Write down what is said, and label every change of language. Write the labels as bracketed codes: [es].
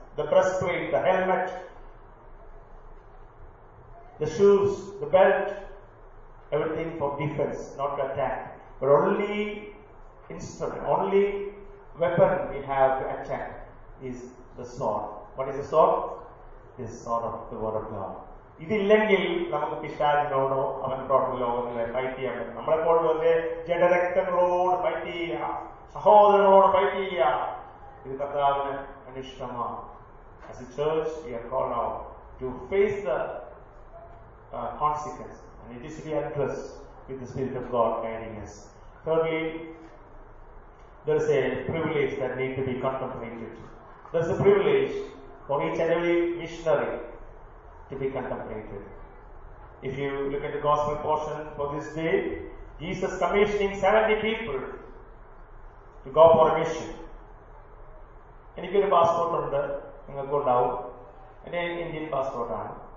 [en] The breastplate, the helmet, the shoes, the belt, everything for defense, not to attack. But only instrument, only weapon we have to attack is the sword. What is the sword? The sword of the word of God. [ml] ഇതില്ലെങ്കിൽ നമുക്ക് പിശാചിനോടോ അവൻ pro tem ലോകങ്ങളെ fight ചെയ്യാൻ പറ്റും. നമ്മളെപ്പോഴും വന്നേ ജഡരക്തങ്ങളോട് fight ചെയ്യുക, സഹോദരങ്ങളോട് fight ചെയ്യുക. ഇത് കർത്താവിന് അനിഷ്ടമാണ്. [en] As a church, we are called out to face the consequence, and it is to be addressed with the Spirit of God guiding us. Thirdly, there is a privilege that needs to be contemplated. There is a privilege for each and every missionary to be contemplated. If you look at the gospel portion for this day, Jesus commissioning 70 people to go for a mission. [ml] എനിക്ക് ഒരു passport ഉണ്ട്, നിങ്ങൾക്കും ഉണ്ടാവും. എൻ്റെ Indian പാസ്പോർട്ടാണ്.